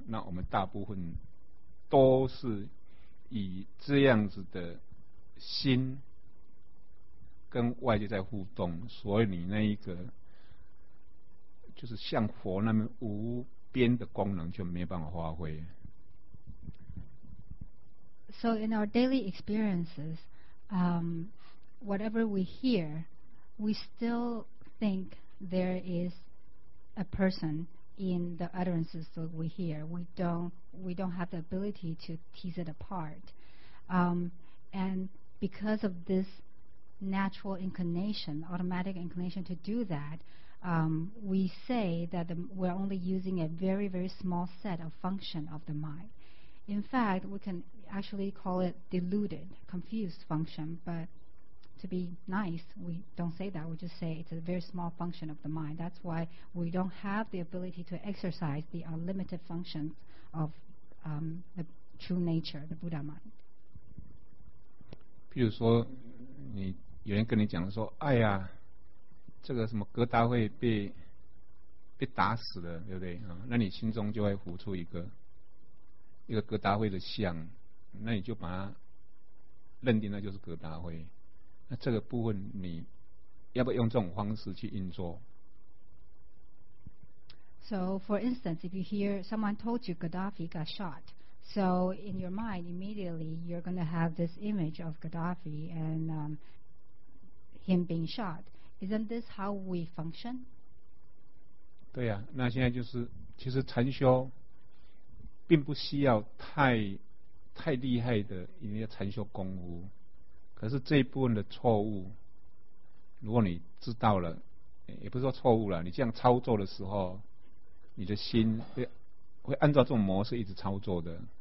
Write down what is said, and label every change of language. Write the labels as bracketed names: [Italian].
[Chinese] 那我们大部分都是以这样子的心跟外界在互动，所以你那一个就是像佛那么无边的功能就没办法发挥。 [English] So in our daily experiences, whatever we hear, we still think there is a person in the utterances that we hear. We don't have the ability to tease it apart. And because of this natural inclination, automatic inclination to do that, we say that we're only using a very, very small set of function of the mind. In fact, we can actually call it deluded, confused function, but to be nice, we don't say that. We just say it's a very small function of the mind. That's why we don't have the ability to exercise the unlimited functions of the true nature, the Buddha mind. [Chinese] 比如说有人跟你讲说，哎呀，这个什么哥达会被打死了，对不对？那你心中就会浮出一个哥达会的像，那你就把它认定那就是哥达会。那这个部分你要不要用这种方式去运作？ [English] So for instance, if you hear someone told you Gaddafi got shot, so in your mind immediately you're going to have this image of Gaddafi and him being shot. Isn't this how we function? [Chinese] 对啊，那现在就是其实禅修并不需要太厉害的一些禅修功夫，可是这一部分的错误，如果你知道了，也不是说错误了，你这样操作的时候，你的心会按照这种模式一直操作的。